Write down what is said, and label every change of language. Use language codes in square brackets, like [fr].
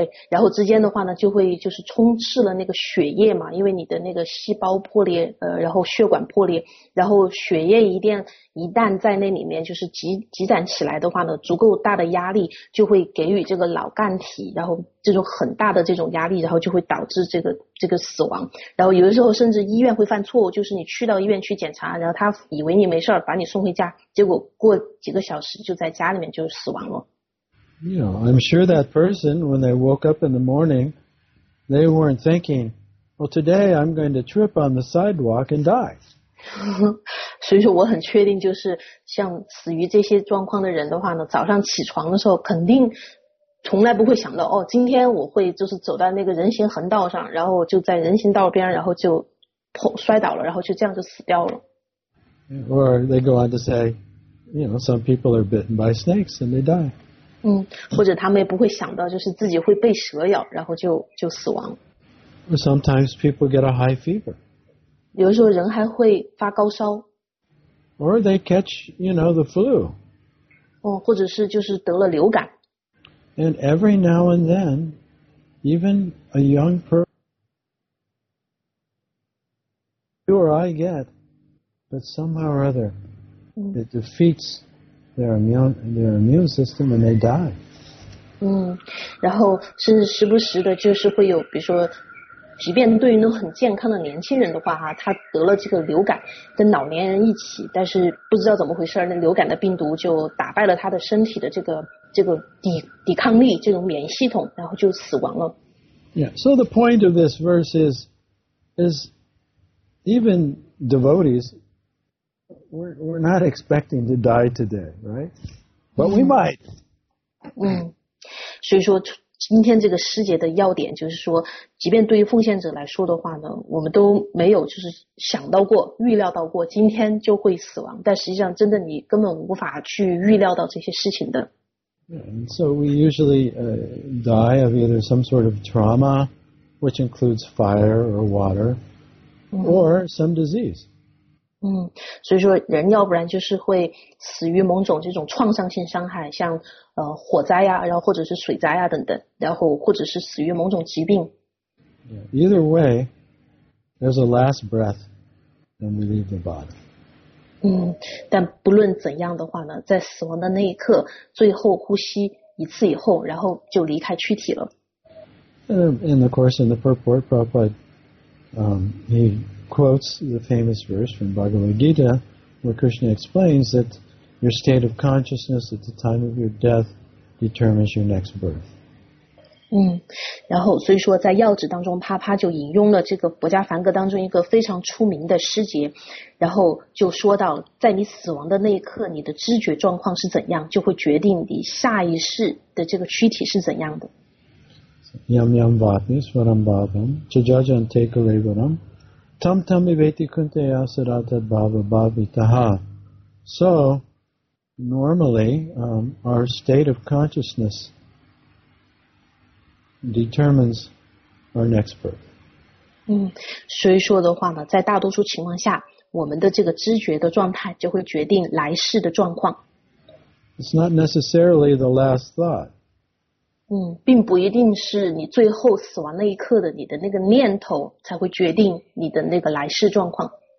[zh] 然后之间的话呢就会就是充斥了那个血液嘛，因为你的那个细胞破裂然后血管破裂，然后血液一旦在那里面就是积攒起来的话呢，足够大的压力就会给予这个脑干体，然后这种很大的这种压力，然后就会导致这个死亡。然后有的时候甚至医院会犯错误，就是你去到医院去检查，然后他以为你没事把你送回家，结果过几个小时就在家里面就死亡了。 [en] I'm sure that person, when they woke up in the morning, they weren't thinking, well, today I'm going to trip on the sidewalk and die. [zh] 所以说我很确定就是像死于这些状况的人的话呢，早上起床的时候肯定从来不会想到，今天我会就是走在那个人行横道上，然后就在人行道边，然后就摔倒了，然后就这样就死掉了。 [en] Or they go on to say, some people are bitten by snakes and they die. [zh] 或者他们也不会想到就是自己会被蛇咬然后就死亡。 [en] Sometimes people get a high fever. [zh] 有的时候人还会发高烧。 [en] Or they catch, the flu. [zh] 或者是就是得了流感。 [en] And every now and then, even a young person, you or I get, but somehow or other, it defeats,their immune system and they die. [zh] 然后甚至时不时的就是会有比如说即便对于那种很健康的年轻人的话哈，他得了这个流感跟老年人一起，但是不知道怎么回事那流感的病毒就打败了他的身体的这个抵抗力这种免疫系统，然后就死亡了。 [en] Yeah, so the point of this verse is even devotees we're not expecting to die today, right? But we might. [zh] 所以说今天这个诗节的要点就是说，即便对于奉献者来说的话呢，我们都没有就是想到过、预料到过今天就会死亡，但实际上真的你根本无法去预料到这些事情的。 [en] And so we usually die of either some sort of trauma, which includes fire or water, or some disease. [zh] 所以说人要不然就是会死于某种这种创伤性伤害，像火灾啊，然后或者是水灾啊等等，然后或者是死于某种疾病。 [en] Yeah. Either way, there's a last breath when we leave the body. [zh] 但不论怎样的话呢，在死亡的那一刻，最后呼吸一次以后，然后就离开躯体了。 [en] And of course, in the purport, Prabhupada, he quotes the famous verse from Bhagavad Gita, where Krishna explains that your state of consciousness at the time of your death determines your next birth. [zh] 然后所以说在要旨当中，啪啪就引用了这个《薄伽梵歌》当中一个非常出名的诗节，然后就说到，在你死亡的那一刻，你的知觉状况是怎样，就会决定你下一世的这个躯体是怎样的。 [sa] Yam yam vatni swaram bhavam, jajajan tekalevaram, tam tam iveti kunte asaratad bhava bhavitaha. [en] So, normally, our state of consciousness determines our next birth. [zh] 所以说的话呢，在大多数情况下，我们的这个知觉的状态就会决定来世的状况。 [en] It's not necessarily the last thought. [zh] 并不一定是你最后死亡那一刻的你的那个念头才会决定你的那个来世状况。